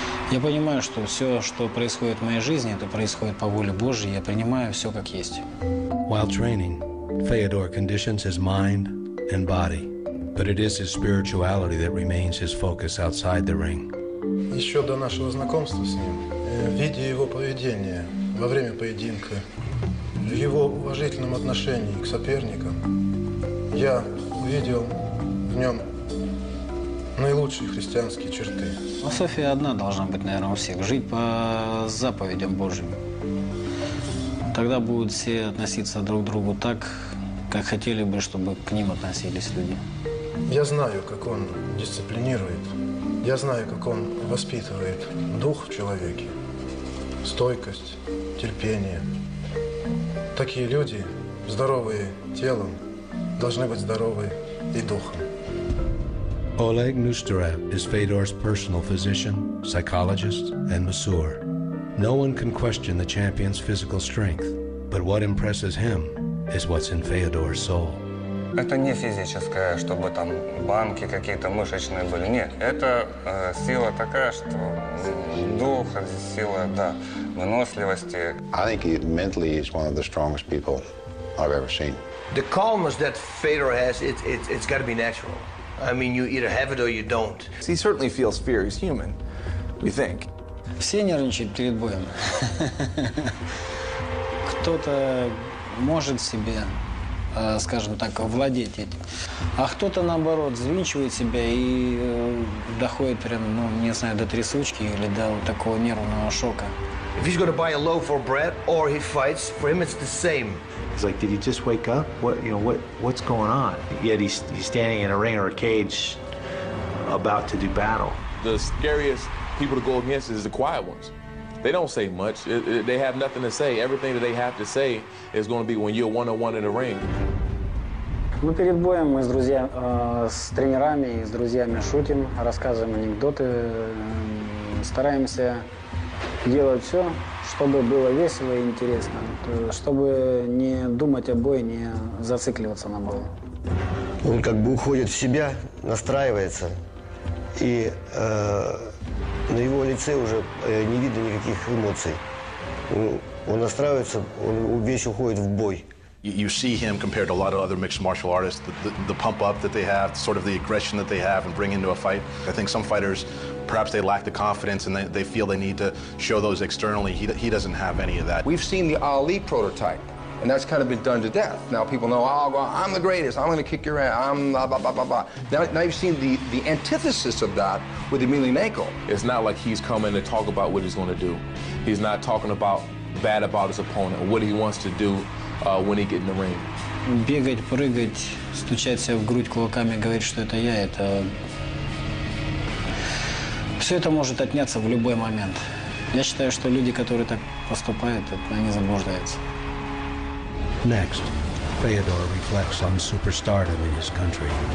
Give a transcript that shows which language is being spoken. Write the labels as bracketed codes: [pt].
[ru] Я понимаю, что все, что происходит в моей жизни, это происходит по воле Божьей. Я принимаю все, как есть. [en] While training, Fedor conditions his mind and body. But it is his spirituality that remains his focus outside the ring. [ru] Еще до нашего знакомства с ним, видя его поведение во время поединка, в его уважительном отношении к соперникам, я увидел в нем наилучшие христианские черты. Философия одна должна быть, наверное, у всех. Жить по заповедям Божьим. Тогда будут все относиться друг к другу так, как хотели бы, чтобы к ним относились люди. Я знаю, как он дисциплинирует. Я знаю, как он воспитывает дух в человеке. Стойкость, терпение. Такие люди, здоровые телом, должны быть здоровы и духом. [en] Oleg Nusterev is Fedor's personal physician, psychologist, and masseur. No one can question the champion's physical strength, but what impresses him is what's in Fedor's soul. [ru] Это не физическое, чтобы там банки какие-то мышечные были. Нет, это сила такая, что дух, сила, да, выносливости. [en] I think he mentally is one of the strongest people I've ever seen. The calmness that Fedor has, it's got to be natural. I mean, you either have it or you don't. He certainly feels fear. He's human, we think. [ru] Все нервничают перед боем. Кто-то может себе, скажем так, владеть этим. А кто-то, наоборот, взвинчивает себя и доходит прям, ну, не знаю, до трясучки или до вот такого нервного шока. [en] If he's going to buy a loaf of bread or he fights, for him it's the same. He's like, did he just wake up? What, you know, what's going on? Yet he's standing in a ring or a cage about to do battle. The scariest people to go against is the quiet ones. They don't say much. They have nothing to say. Everything that they have to say is going to be when you're one-on-one in the ring. [ru] Мы перед боем, мы с друзьями, с тренерами и с друзьями шутим, рассказываем анекдоты, стараемся делать все, чтобы было весело и интересно, чтобы не думать о бою, не зацикливаться на бою. Он как бы уходит в себя, настраивается, и на его лице уже не видно никаких эмоций. Он настраивается, он весь уходит в бой. [en] You see him compared to a lot of other mixed martial artists, the pump up that they have, sort of the aggression that they have and bring into a fight. I think some fighters, perhaps they lack the confidence and they feel they need to show those externally. He doesn't have any of that. We've seen the Ali prototype, and that's kind of been done to death. Now people know, oh, well, I'm the greatest, I'm going to kick your ass, I'm blah, blah, blah, blah, blah. Now you've seen the antithesis of that with Emelianenko. It's not like he's coming to talk about what he's going to do. He's not talking about bad about his opponent, what he wants to do. When he get in the ring. [ru] Бегать, прыгать, стучать себя в грудь кулаками, говорить, что это я, это... Все это может отняться в любой момент. Я считаю, что люди, которые так поступают, они заблуждаются. [en] Next, Fedor reflects on superstardom in his country.